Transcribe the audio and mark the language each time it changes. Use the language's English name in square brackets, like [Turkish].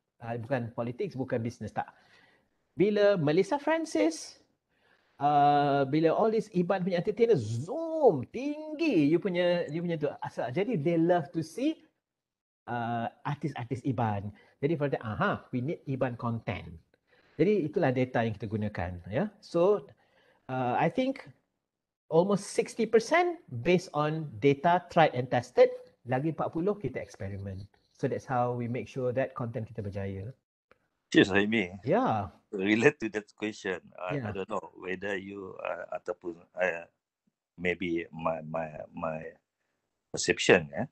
[Malay] Bukan politik, bukan bisnes, tak. Bila Melissa Francis, bila all this Iban punya entertainer, zoom, tinggi you punya tu. Asal. [English] Jadi they love to see artis-artis Iban. Jadi for that, aha, we need Iban content. [Malay] Jadi itulah data yang kita gunakan. [English] Yeah? So I think almost 60% based on data tried and tested, [Malay] lagi 40% kita eksperimen. [English] So that's how we make sure that content kita berjaya. Cheers, Suhaimi. Yeah. Relate to that question, yeah. I don't know whether you ataupun maybe my perception.